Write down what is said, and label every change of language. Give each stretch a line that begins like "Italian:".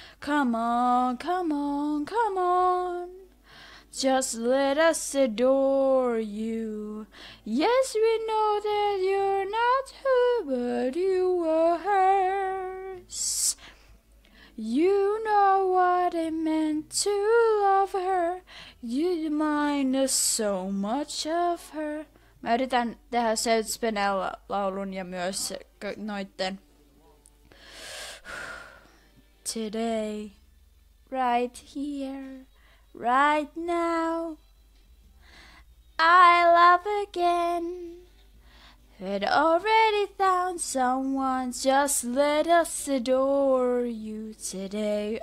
English: Come on, come on, come on. Just let us adore you. Yes, we know that you're not her, but you were hers. You know what it meant to love her. You remind us so much of her.
Finnish: Mä yritän tehdä Seutspenella laulun ja myös noitten.
English: Today, right here, right now, I love again. It already found someone. Just let us adore you today.